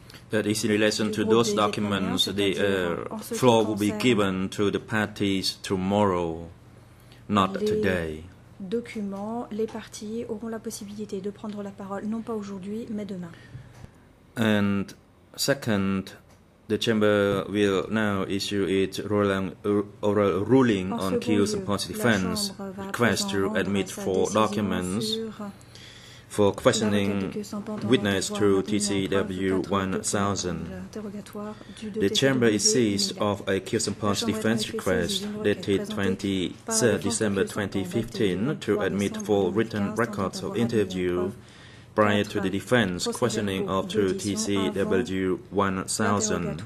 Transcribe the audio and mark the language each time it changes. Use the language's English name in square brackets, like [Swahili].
[English] That is in relation to those documents, the floor will be given to the parties tomorrow, not today. [French] Documents, les parties auront la possibilité de prendre la parole non pas aujourd'hui mais demain. [English] And second, the chamber will now issue its oral ruling on Q's supposed defense request to admit four documents. For questioning witness through TCW 1000, the chamber is seized of a Kielsenpons defense request dated 23rd December 2015 to admit four written records of interview prior to the defense questioning of through TCW 1000.